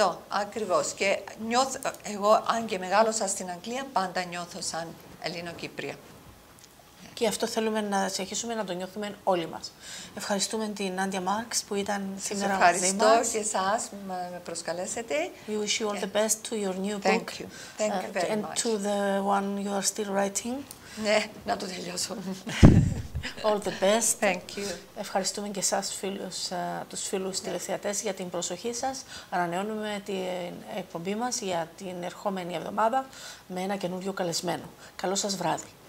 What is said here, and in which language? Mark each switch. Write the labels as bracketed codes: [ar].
[el] Αυτό, ακριβώς. Και νιώθω, εγώ αν και μεγάλωσα στην Αγγλία, πάντα νιώθω σαν Ελληνοκύπρια. Και αυτό θέλουμε να συνεχίσουμε να το νιώθουμε όλοι μας. Ευχαριστούμε την Νάντια Μάρξ που ήταν σήμερα μαζί μας. Ευχαριστώ και εσάς που με προσκαλέσετε. [en] We wish you all the best to your new Thank book. You. Thank you very and much. To the one you are still writing. [el] Ναι, να το τελειώσω. [en] All the best. Thank you. [el] Ευχαριστούμε και εσάς τους φίλους τηλεθεατές για την προσοχή σας. Ανανεώνουμε την εκπομπή μας για την ερχόμενη εβδομάδα με ένα καινούριο καλεσμένο. Καλό σας βράδυ.